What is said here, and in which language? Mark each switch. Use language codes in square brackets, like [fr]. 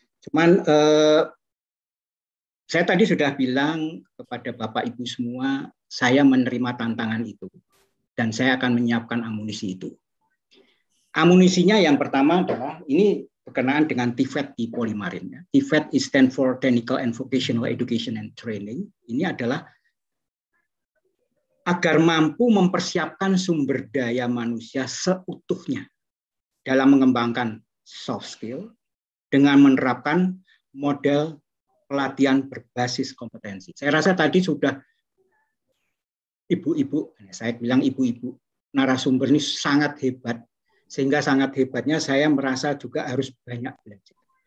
[id] Cuman saya tadi sudah bilang kepada Bapak Ibu semua, saya menerima tantangan itu dan saya akan menyiapkan amunisi itu. Amunisinya yang pertama adalah ini berkenaan dengan TVET di Polimarin. [en] TVET is stand for Technical and Vocational Education and Training. [id] Ini adalah agar mampu mempersiapkan sumber daya manusia seutuhnya dalam mengembangkan soft skill dengan menerapkan model pelatihan berbasis kompetensi. Saya rasa tadi sudah ibu-ibu, saya bilang ibu-ibu, narasumber ini sangat hebat, sehingga sangat hebatnya saya merasa juga harus banyak belajar.